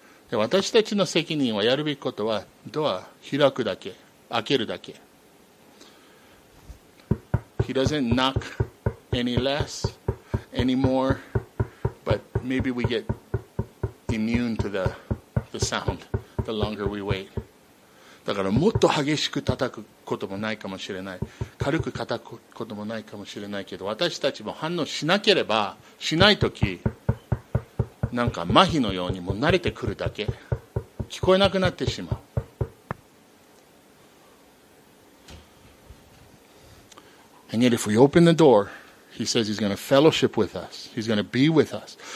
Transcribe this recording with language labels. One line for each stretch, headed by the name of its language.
Japanese: で私たちの責任はやるべきことはドア開くだけ、開けるだけ。
English: He doesn't knock any less anymore, but maybe we get immune to the soundThe longer we wait.
Japanese: だからもっと激しく叩くこともないかもしれない、軽く叩くこともないかもしれないけど、私たちも反応しなければ、しないとき、なんか麻痺のようにもう慣れてくるだけ、聞こえなくなってしまう。
English: And yet if we open the door, he says he's going to fellowship with us, he's going to be with us.